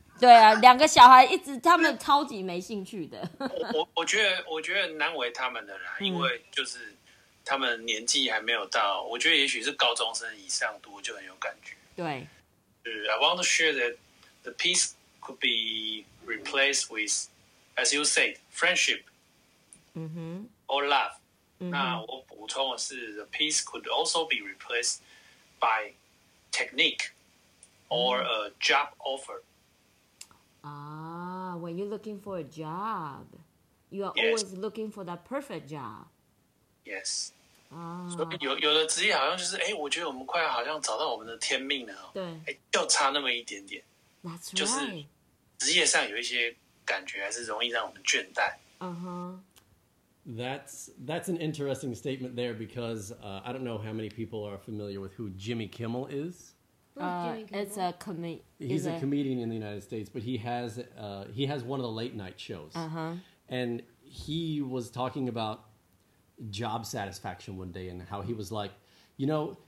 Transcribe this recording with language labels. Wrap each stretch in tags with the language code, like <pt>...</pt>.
<zh>对啊，两个小孩一直，他们超级没兴趣的。我觉得难为他们的啦，因为就是他们年纪还没有到，我觉得也许是高中生以上读就很有感觉。对。</zh> <en>I want to share that the piece... could be replaced with, as you say, friendship、 mm-hmm. or love.、 Mm-hmm.</en> <zh>那我补充的是</zh> <en>the piece could also be replaced by technique or、mm-hmm. a job offer. Ah, when you're looking for a job, you are、yes. always looking for that perfect job. Yes.、 Ah.</en> <zh>所以有的职业好像就是、欸、我觉得我们快好像找到我们的天命了、喔、对、欸、就差那么一点点。</zh> <en>That's right.</en> <zh>就是职业上有一些感觉还是容易让我们倦怠。 Uh-huh.</zh> <en>That's an interesting statement there because、I don't know how many people are familiar with who Jimmy Kimmel is. He's a comedian in the United States, but he has one of the late night shows. Uh-huh. And he was talking about job satisfaction one day and how he was like, you know...</en>